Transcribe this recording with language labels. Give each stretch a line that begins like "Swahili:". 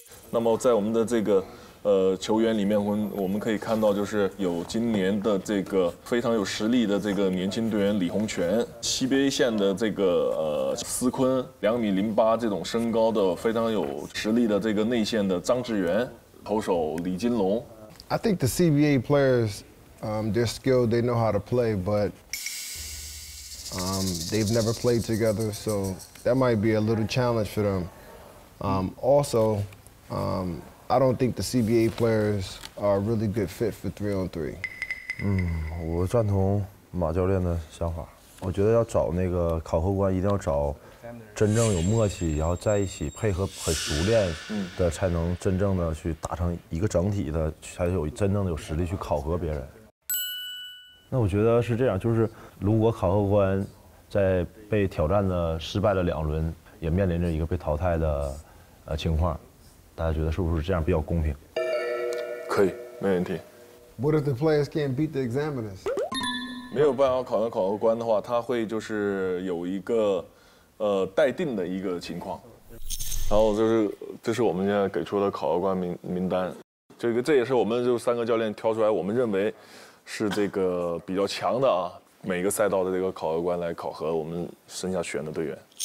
Chinese: 那么在我们的这个球员里面，我们可以看到，就是有今年的这个非常有实力的这个年轻队员李洪权，CBA线的这个思坤，2米08这种身高的非常有实力的这个内线的张志源，投手李金龙。
English: I think the CBA players, they're skilled, they know how to play, but. They've never played together, so that might be a little challenge for them. Also, I don't think the CBA players are a really good fit for 3-on-3.
Chinese: 我赞同马教练的想法。我觉得要找那个考核官，一定要找真正有默契，然后在一起配合很熟练的，才能真正的去打成一个整体的，才有真正的有实力去考核别人。那我觉得是这样，就是如果考核官在被挑战的失败了两轮，也面临着一个被淘汰的情况，大家觉得是不是这样比较公平？可以，没问题。
English: What if the players can't beat the examiners？
Chinese: 没有办法考核考核官的话，他会就是有一个待定的一个情况。然后这是我们现在给出的考核官名单，这也是我们就三个教练挑出来，我们认为。是这个比较强的啊，每个赛道的这个考核官来考核我们剩下选的队员。